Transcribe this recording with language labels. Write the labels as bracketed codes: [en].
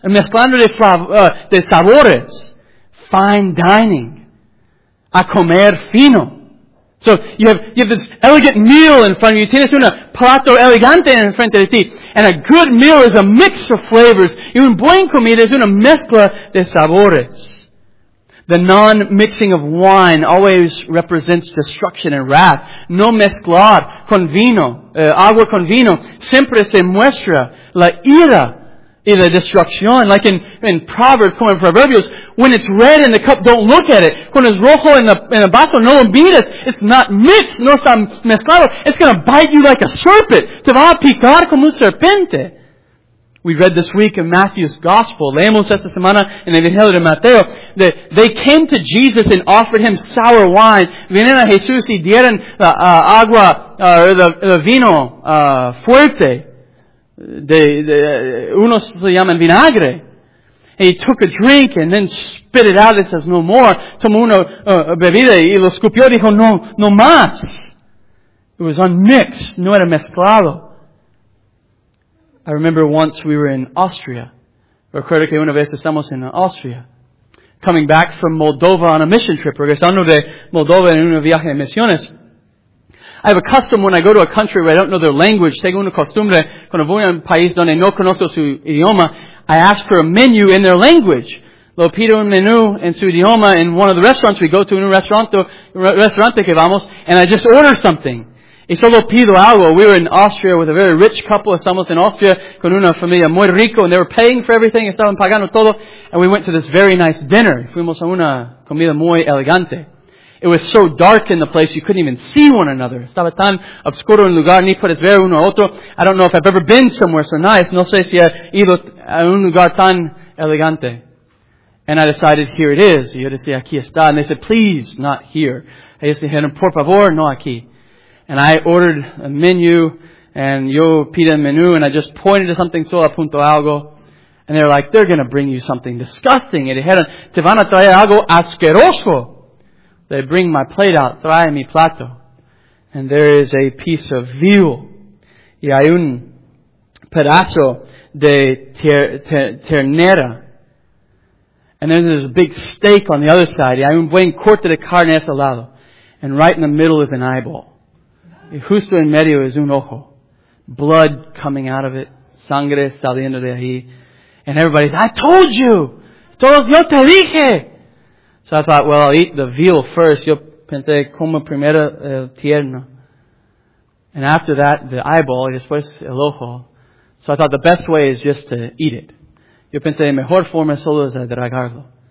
[es] Mezclando de sabores. [en] Fine dining. [es] A comer fino. [en] So you have this elegant meal in front of you. [es] Tienes un plato elegante en frente de ti. [en] And a good meal is a mix of flavors. [es] Y un buen comida es una mezcla de sabores. [en] The non-mixing of wine always represents destruction and wrath. [es] No mezclar con vino, agua con vino, siempre se muestra la ira y la destrucción. [en] Like in Proverbs, [es] como en Proverbios, [en] when it's red in the cup, don't look at it. [es] Cuando es rojo en el vaso, no lo mires. [en] It's not mixed, [es] no está mezclado. [en] It's going to bite you like a serpent. [es] Te va a picar como un serpente. [en] We read this week in Matthew's Gospel, [es] leemos esta semana en el Evangelio de Mateo, [en] that they came to Jesus and offered him sour wine. [es] Vienen a Jesús y dieron agua, el vino fuerte. Unos se llaman vinagre. [en] And he took a drink and then spit it out and says, no more. [es] Tomó una bebida y lo escupió y dijo, no más. [en] It was unmixed, [es] no era mezclado. [en] I remember once we were in Austria. [es] Recuerdo que una vez estamos en Austria. [en] Coming back from Moldova on a mission trip. [es] Regresando de Moldova en un viaje de misiones. [en] I have a custom when I go to a country where I don't know their language. [es] Tengo una costumbre cuando voy a un país donde no conozco su idioma. [en] I ask for a menu in their language. [es] Lo pido un menú en su idioma [en] in one of the restaurants. We go to [es] un restaurante que vamos [en] and I just order something. [es] Y solo pido algo. [en] We were in Austria with a very rich couple. [es] Estamos en Austria con una familia muy rico, [en] and they were paying for everything. [es] Estaban pagando todo. [en] And we went to this very nice dinner. [es] Fuimos a una comida muy elegante. [en] It was so dark in the place you couldn't even see one another. [es] Estaba tan oscuro en lugar ni puedes ver uno a otro. [en] I don't know if I've ever been somewhere so nice. [es] No sé si he ido a un lugar tan elegante. [en] And I decided, here it is. [es] Y yo decía, aquí está. [en] And they said, please, not here. [es] Ellos dijeron, por favor, no aquí. [en] And I ordered a menu, and [es] yo pide el menú, [en] and I just pointed to something, [es] solo apunto algo. [en] And they're like, they're going to bring you something disgusting. [es] Y dijeron, te van a traer algo asqueroso. [en] They bring my plate out, [es] trae mi plato. [en] And there is a piece of veal. [es] Y hay un pedazo de ternera. [en] And then there's a big steak on the other side. [es] Y hay un buen corte de carne a ese lado. [en] And right in the middle is an eyeball. [es] Y justo en medio es un ojo. [en] Blood coming out of it. [es] Sangre saliendo de ahí. [en] And everybody's, I told you! [es] Todos yo te dije! [en] So I thought, well, I'll eat the veal first. [es] Yo pensé, como primero el tierno. [en] And after that, the eyeball, [es] y después el ojo. [en] So I thought the best way is just to eat it. [es] Yo pensé, mejor forma solo es tragarlo.